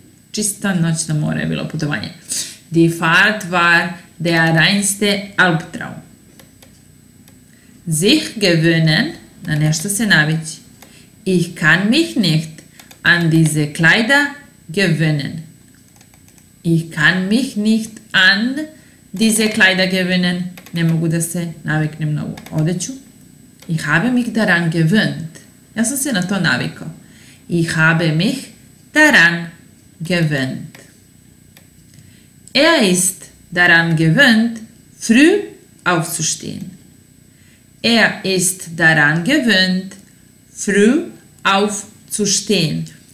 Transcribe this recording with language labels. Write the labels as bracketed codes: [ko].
[sr] Čista noćna mora je bilo putovanje. [de] Die Fahrt war der reinste Albtraum. Sich gewöhnen, [sr] na nešto se navići. [de] Ich kann mich nicht an diese Kleider gewöhnen. Ich kann mich nicht an diese Kleider gewöhnen. [sr] Ne mogu da se naviknem na ovu odeću. [de] Ich habe mich daran gewöhnt. [sr] Ja sam se na to navikao. [de] Ich habe mich daran gewöhnt. Er ist daran gewöhnt, früh aufzustehen. Er ist daran gewöhnt, früh aufzustehen.